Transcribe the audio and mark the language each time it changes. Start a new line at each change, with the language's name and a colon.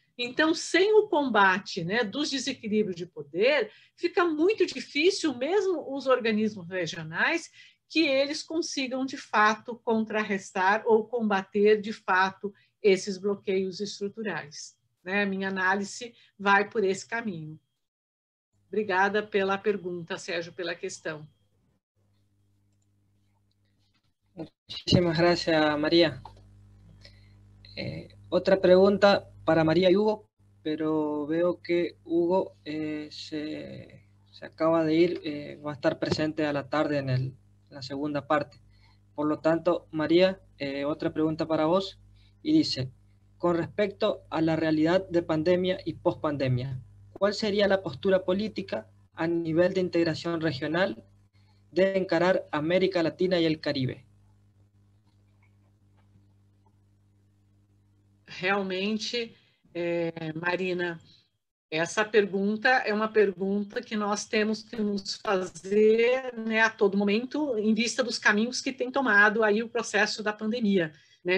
Portuguese: Então, sem o combate, né, dos desequilíbrios de poder, fica muito difícil, mesmo os organismos regionais, que eles consigam, de fato, contrarrestar ou combater, de fato, esses bloqueios estruturais. Né? Minha análise vai por esse caminho. Obrigada pela pergunta, Sérgio, pela questão.
Spanish: Muchísimas gracias, María. Otra pregunta para María y Hugo, pero veo que Hugo se acaba de ir, va a estar presente a la tarde en la segunda parte. Por lo tanto, María, otra pregunta para vos, y dice, con respecto a la realidad de pandemia y pospandemia, ¿cuál sería la postura política a nivel de integración regional de encarar América Latina y el Caribe?
Portuguese: Realmente, Marina, essa pergunta é uma pergunta que nós temos que nos fazer, né, a todo momento, em vista dos caminhos que tem tomado aí o processo da pandemia. Né?